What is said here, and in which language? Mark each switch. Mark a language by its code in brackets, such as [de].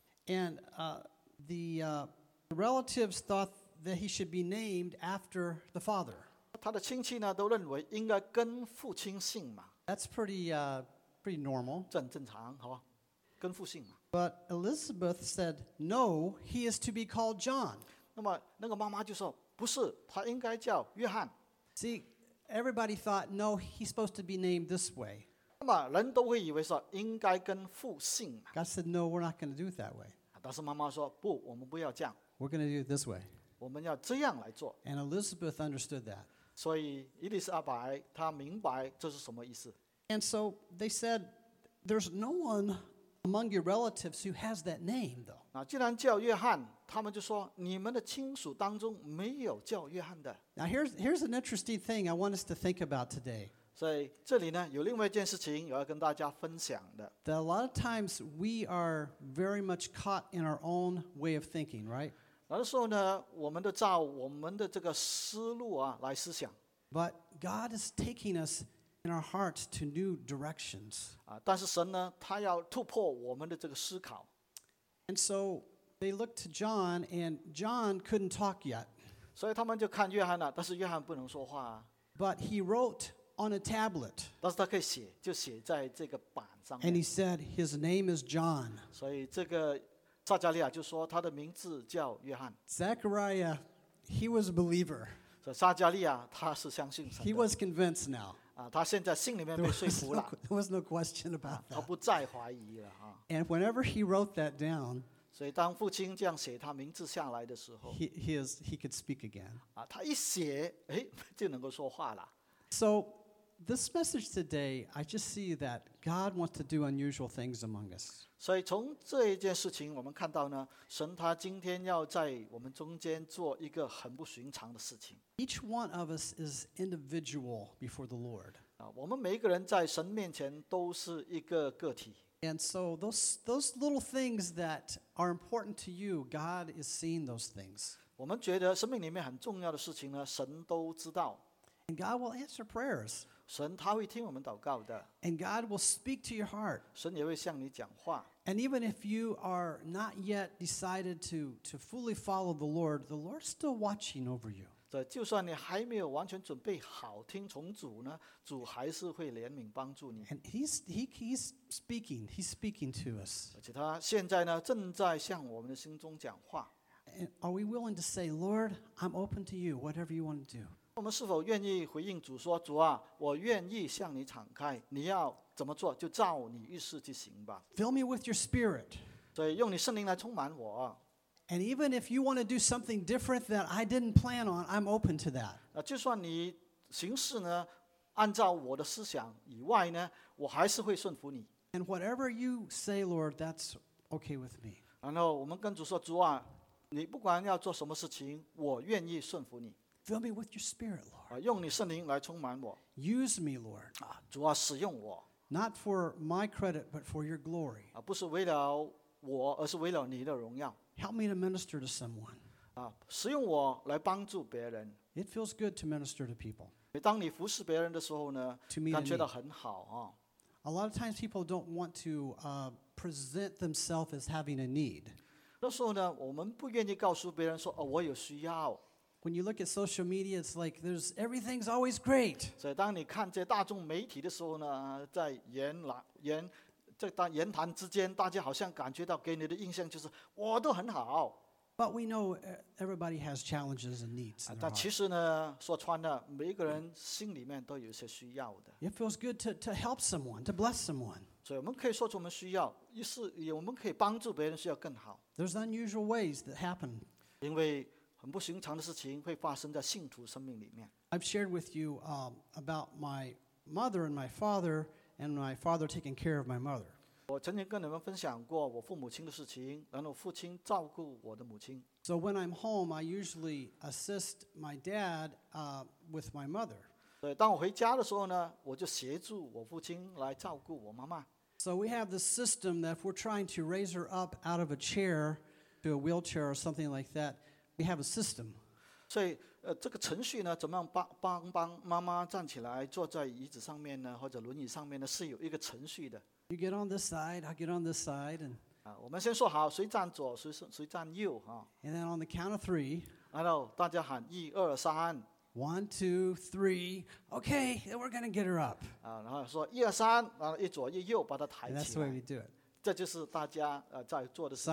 [en] And the relatives thought that he should be named after the father. [zh] 她的亲戚呢，都认为应该跟父亲姓嘛。 [en] That's pretty normal. [zh] 这很正常，好吧，跟父姓嘛。 [en] But Elizabeth said, "No, he is to be called John." [zh] 那么那个妈妈就说。不是他应该叫约翰 [en] See, everybody thought, no, he's supposed to be named this way. [zh] 那么人都会以为说应该跟父姓 [en] God said, no, we're not going to do it that way. [zh] 但是妈妈说不我们不要这样 [en] We're going to do it this way. [zh] 我们要这样来做 [en] And Elizabeth understood that. [zh] 所以伊丽莎白她明白这是什么意思 [en] And so they said, there's no one among your relatives who has that name, though. [zh] 那既然叫约翰他们就说你们的亲属当中没有叫约翰的 [en] Now here's an interesting thing I want us to think about today [zh] 所以这里呢有另外一件事情我要跟大家分享的 [en] That a lot of times we are very much caught in our own way of thinking, right? [zh] 有的时候呢我们都照我们的这个思路啊来思想 [en] But God is taking us in our hearts to new directions [zh] 但是神呢他要突破我们的这个思考 [en] And soThey looked to John, and John couldn't talk yet. [zh] 所以他们就看约翰了，但是约翰不能说话。 [en] But he wrote on a tablet. [zh] 但是他可以写，就写在这个板上面。 [en] And he said his name is John. [zh] 所以这个撒加利亚就说他的名字叫约翰。 [en] Zechariah, he was a believer. [zh] 所以撒加利亚他是相信神的。 [en] He was convinced now. [zh] 他现在心里面被说服了。 [en] There was no question about that. [zh] 他不再怀疑了。 [en] And whenever he wrote that down. [zh] 所以当父亲这样写他名字下来的时候 [en] he could speak again [zh] 他一写就能够说话了 [en] So this message today I just see that God wants to do unusual things among us [zh] 所以从这一件事情我们看到呢神他今天要在我们中间做一个很不寻常的事情 [en] Each one of us is individual before the Lord [zh] 我们每一个人在神面前都是一个个体 [en] And so those little things that are important to you, God is seeing those things. [zh] 我们觉得生命里面很重要的事情呢，神都知道。 [en] And God will answer prayers. [zh] 神他会听我们祷告的。 [en] And God will speak to your heart. [zh] 神也会向你讲话。 [en] And even if you are not yet decided to fully follow the Lord, the Lord's still watching over you. [zh] 对，就算你还没有完全准备好听从主呢，主还是会怜悯帮助你。 [en] And he's speaking, he's speaking to us. [zh] 而且他现在呢，正在向我们的心中讲话。 [en] And are we willing to say, Lord, I'm open to you, whatever you want to do? [zh] 我们是否愿意回应主说，主啊，我愿意向你敞开，你要怎么做就照你意思去行吧。 [en] Fill me with your spirit. [zh] 所以用你圣灵来充满我。 [en] And even if you want to do something different that I didn't plan on, I'm open to that. [zh] 就算你行事呢，按照我的思想以外呢，我还是会顺服你。 [en] And whatever you say, Lord, that's okay with me. [zh] 然后我们跟主说，主啊，你不管要做什么事情，我愿意顺服你。 [en] Fill me with your spirit, Lord. [zh] 用你圣灵来充满我。 [en] Use me, Lord. [zh] 主啊，使用我。 [en] Not for my credit, but for your glory. [zh] 不是为了我，而是为了你的荣耀。 [en] Help me to minister to someone. [zh] 使用我来帮助别人。 [en] It feels good to minister to people. [zh] 当你服侍别人的时候呢， [en] to me [zh] 感觉到很好啊。 [en] A lot of times people don't want to present themselves as having a need. [zh] 那时候呢，我们不愿意告诉别人说，哦，我有需要。 [en] When you look at social media, it's like there's everything's always great. [zh] 所以当你看这大众媒体的时候呢，在言谈之间，大家好像感觉到给你的印象就是我都很好。 [en] But we know everybody has challenges and needs. [zh] 但其实呢，说穿了，每一个人心里面都有些需要的。 [en] It feels good to help someone, to bless someone. [zh] 所以我们可以说出我们需要，于是我们可以帮助别人需要更好。 [en] There's unusual ways that happen. [zh] 因为很不寻常的事情会发生在信徒生命里面。 [en] I've shared with you about my mother and my father. And my father taking care of my mother. [zh] 我曾经跟你们分享过我父母亲的事情，然后父亲照顾我的母亲。 [en] So when I'm home, I usually assist my dad with my mother. [zh] 对，当我回家的时候呢，我就协助我父亲来照顾我妈妈。 [en] So we have this system that if we're trying to raise her up out of a chair to a wheelchair or something like that, we have a system. [zh] 所以这个程序呢，怎么样帮妈妈站起来，坐在椅子上面呢，或者轮椅上面呢，是有一个程序的。 [en] You get on this side, I get on this side, and [zh] 我们先说好，谁站左，谁站右啊。 [en] And then on the count of three, [zh] 然后大家喊一二三。 [en] 1, 2, 3, okay, then we're gonna get her up. [zh] 然后说一二三，然后一左一右把她抬起来。 [en] And that's the way we do it. [zh] 这就是大家在做的事情。